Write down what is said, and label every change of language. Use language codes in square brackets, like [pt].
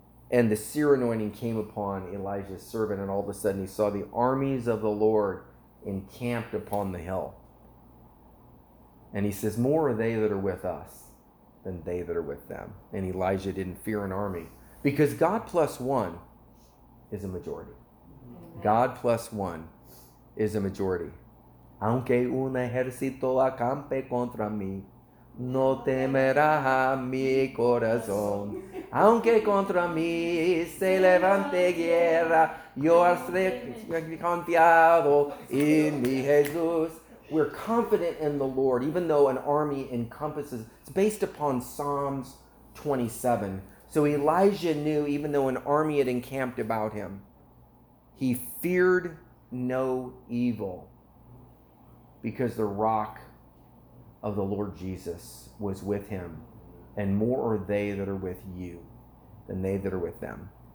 [en] And the seer anointing came upon Elijah's servant. And all of a sudden he saw the armies of the Lord encamped upon the hill. And he says, more are they that are with us than they that are with them. And Elijah didn't fear an army because God plus one is a majority. God plus one is a majority. [es] Aunque un ejército acampe contra mí, no temerá mi corazón. Aunque contra mí se levante guerra, yo estaré confiado en mi Jesús. [en] We're confident in the Lord, even though an army encompasses. It's based upon Psalms 27. So Elijah knew, even though an army had encamped about him, he feared no evil because the rock of the Lord Jesus was with him, and more are they that are with you than they that are with them.